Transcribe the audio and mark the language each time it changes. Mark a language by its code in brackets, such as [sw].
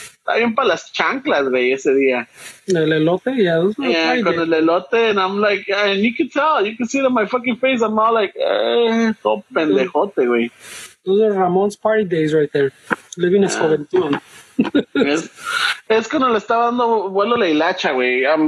[es] Está bien para las chanclas, güey, ese día. El elote, yeah. [en] Yeah, [es] con el elote, [en] and I'm like, and you can tell, you can see it on my fucking face, I'm all like, [es] todo pendejote, güey. [en] Those are Ramon's party days right there. Living his juventud. [es] Es cuando le estaba dando vuelo la hilacha, güey.